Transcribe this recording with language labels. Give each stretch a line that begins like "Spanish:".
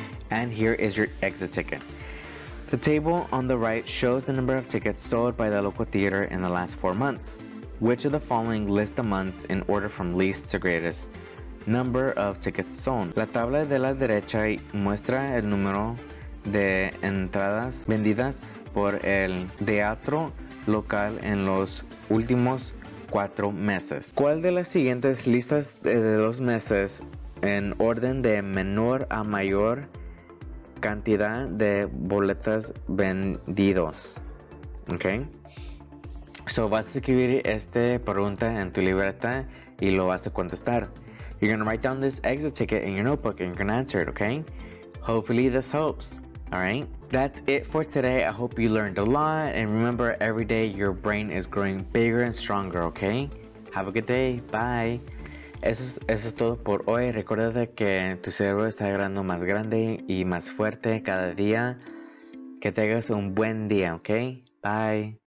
English: And here is your exit ticket. The table on the right shows the number of tickets sold by the local theater in the last 4 months. Which of the following list the months in order from least to greatest number of tickets sold?
Spanish: La tabla de la derecha muestra el número de entradas vendidas por el teatro local en los últimos 4 meses. ¿Cuál de las siguientes listas de los meses en orden de menor a mayor cantidad de boletas vendidos? Okay. So vas a escribir esta pregunta en tu libreta y lo vas a contestar.
English: You're gonna write down this exit ticket in your notebook and you're gonna answer it, okay? Hopefully this helps. Alright. That's it for today. I hope you learned a lot. And remember, every day your brain is growing bigger and stronger, okay? Have a good day. Bye.
Spanish: Eso es todo por hoy. Recuerda que tu cerebro está agarrando más grande y más fuerte cada día. Que tengas un buen día, ¿ok? Bye.